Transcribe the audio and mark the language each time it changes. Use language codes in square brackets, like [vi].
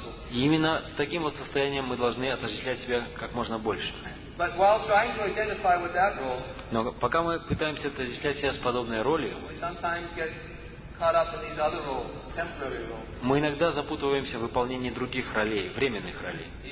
[ru] И именно с таким вот состоянием мы должны отождествлять себя как можно больше. [en] But while trying to identify with that role, [ru] но пока мы пытаемся отождествлять себя с подобной ролью, [en] we sometimes get caught up in these other roles, temporary roles. [ru] Мы иногда запутываемся в выполнении других ролей, временных ролей.